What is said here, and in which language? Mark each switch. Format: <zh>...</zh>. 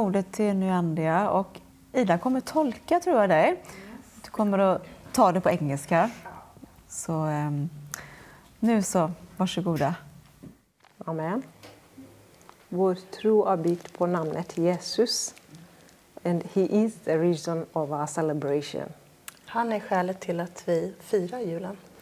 <sv>till Nyandia, och Ida kommer tolka, tror jag, dig. Du kommer att ta det på engelska. Så nu så, varsågoda. Amen. Vår tro är byggt på namnet Jesus.</sv> <en>And he is the reason of our celebration.</en> <sv>Han är skälet till att vi firar julen.</sv>